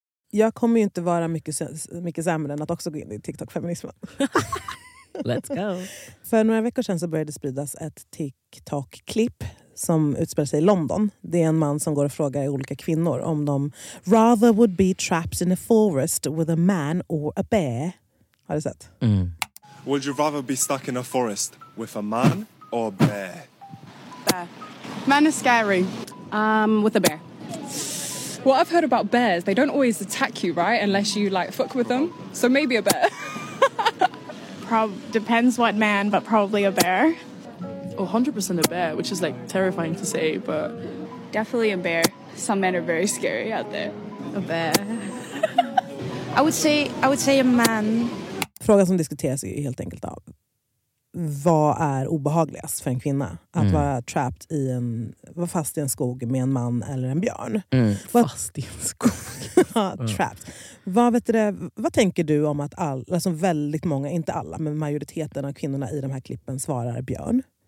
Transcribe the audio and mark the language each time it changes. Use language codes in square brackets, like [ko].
[sv] Jag kommer ju inte vara mycket sämre än att också gå in i TikTok-feminismen. [en] Let's go! [sv] För några veckor sedan så började spridas ett TikTok-klipp som utspelar sig i London. Det är en man som går och frågar olika kvinnor om de [en] rather would be trapped in a forest with a man or a bear. [sv] Har du sett? Mm. [en] Would you rather be stuck in a forest with a man or a bear? Bear. Man is scary. With a bear. What I've heard about bears, they don't always attack you, right? Unless you like fuck with them. So maybe a bear. Depends what man, but probably a bear. 100% a bear, which is like terrifying to say, but definitely a bear. Some men are very scary out there. A bear. I would say a man. [sv] Frågan som diskuteras är helt enkelt av, vad är obehagligast för en kvinna? Att vara trapped i en, vara fast i en skog med en man eller en björn? Mm. Fast i en skog. [en] Trapped. [sv] Vad vet du, vad tänker du om att alltså väldigt många, inte alla, men majoriteten av kvinnorna i de här klippen svarar björn?